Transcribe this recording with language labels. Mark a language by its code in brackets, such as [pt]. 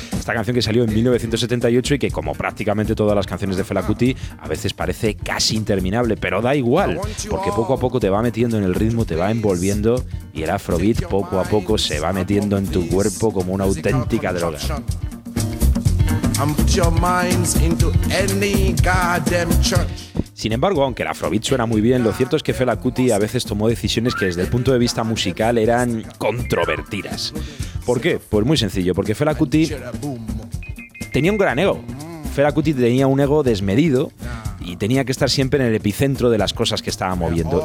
[es] Esta canción que salió en 1978 y que, como prácticamente todas las canciones de Fela Kuti, a veces parece casi interminable, pero da igual, porque poco a poco te va metiendo en el ritmo, te va envolviendo y el afrobeat poco a poco se va metiendo en tu cuerpo como una auténtica droga. [en] And put your minds into any goddamn church. [es] Sin embargo, aunque el afrobeat suena muy bien, lo cierto es que Fela Kuti a veces tomó decisiones que desde el punto de vista musical eran controvertidas. ¿Por qué? Pues muy sencillo, porque Fela Kuti tenía un gran ego. Fela Kuti tenía un ego desmedido y tenía que estar siempre en el epicentro de las cosas que estaba moviendo.